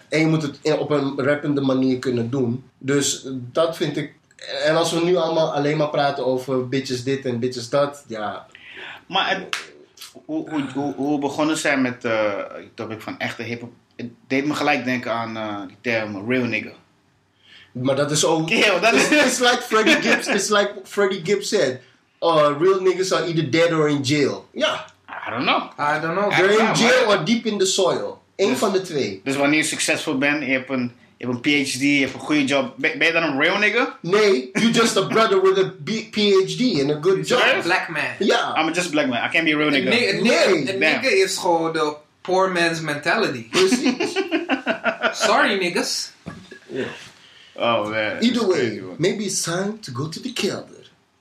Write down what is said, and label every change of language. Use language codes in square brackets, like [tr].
[nl] En je moet het op een rappende manier kunnen doen. Dus dat vind ik... En als we nu allemaal alleen maar praten over bitches dit en bitches dat, ja... Maar hoe begonnen zij met het topic van echte hiphop? Het deed me gelijk denken aan die term [en] real nigga. [nl] Maar dat is ook... [en] Yeah, that is... It's like Freddie Gibbs. It's like Freddie Gibbs said... real niggas are either dead or in jail. Ja. Ah, I don't know. You're in jail or deep in the soil. [nl] Eén van de twee. Dus wanneer je succesvol bent, je hebt een PhD, je hebt een goede job. Ben je dan een [en] real nigga? Nee, you're just a brother with a PhD and a good job. You're a black man. Yeah. I'm just a black man. I can't be a real nigga. [nl] Nigga is gewoon de [en] poor man's mentality. [nl] Precies. [en] Sorry, niggas. Yeah. Oh, man. Either way, maybe it's time to go to the kelder.